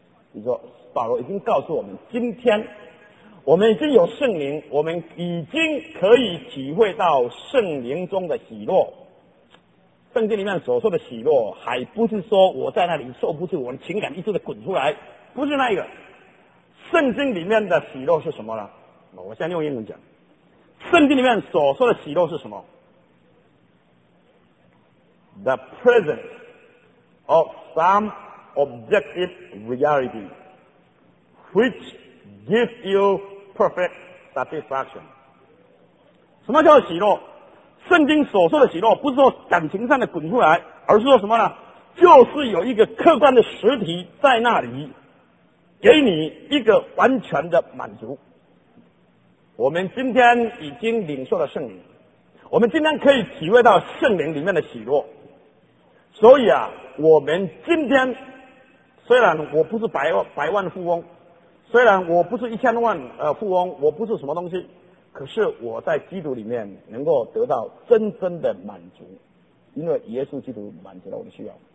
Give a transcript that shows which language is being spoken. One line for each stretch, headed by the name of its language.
Chinese: 你说保罗已经告诉我们，今天我们已经有圣灵，我们已经可以体会到圣灵中的喜乐。圣经里面所说的喜乐，还不是说我在那里受不住，我的情感一直的滚出来，不是那一个。圣经里面的喜乐是什么呢？我先用英文讲。圣经里面所说的喜乐是什么？
English: The presence of some objective reality which gives you perfect satisfaction。
Chinese: 什么叫做喜乐？圣经所说的喜乐不是说感情上的滚出来，而是说什么呢？就是有一个客观的实体在那里给你一个完全的满足。我们今天已经领受了圣灵，我们今天可以体会到圣灵里面的喜乐，所以啊，我们今天虽然我不是百万富翁，虽然我不是1000万富翁，我不是什么东西，可是我在基督里面能够得到真正的满足，因为耶稣基督满足了我的需要。